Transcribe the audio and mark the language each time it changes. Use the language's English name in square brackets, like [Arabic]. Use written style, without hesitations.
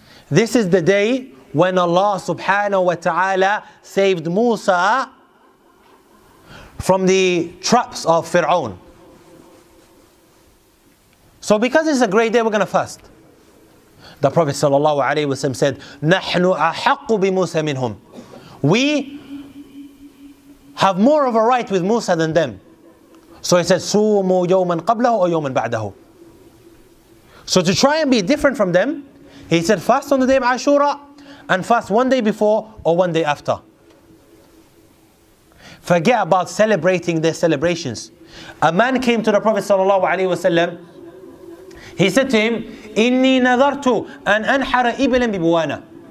[English] This is the day when Allah subhanahu wa ta'ala saved Musa from the traps of Fir'aun. So because it's a great day, we're going to fast. The Prophet sallallahu alayhi wa sallam said, [Arabic] نَحْنُ أَحَقُّ بِمُوسَى مِنْهُمْ. [English] We have more of a right with Musa than them. So he said, [Arabic] سُومُوا يَوْمًا قَبْلَهُ أَوْ يَوْمًا بَعْدَهُ. [English] So to try and be different from them, he said, fast on the day of Ashura, and fast one day before or one day after. Forget about celebrating their celebrations. A man came to the Prophet sallallahu alaihi wasallam He said to him, [Arabic] Inni nadartu an anhara ibilan bibuwana.